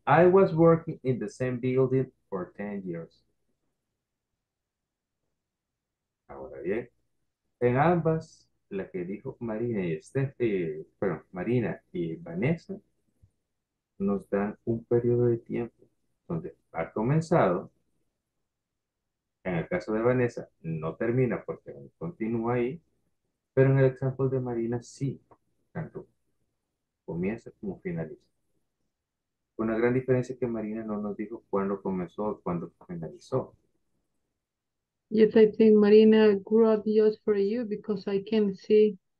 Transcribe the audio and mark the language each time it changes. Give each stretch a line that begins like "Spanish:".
English: I was working in the same building for 10 years.
Spanish: Ahora bien, en ambas, la que dijo Marina y Marina y Vanessa nos dan un periodo de tiempo donde ha comenzado. En el caso de Vanessa, no termina porque continúa ahí, pero en el ejemplo de Marina, sí, tanto comienza como finaliza. Una gran diferencia es que Marina no nos dijo cuándo comenzó o cuándo finalizó.
English: Yes, I think Marina grew up just for you because I can see.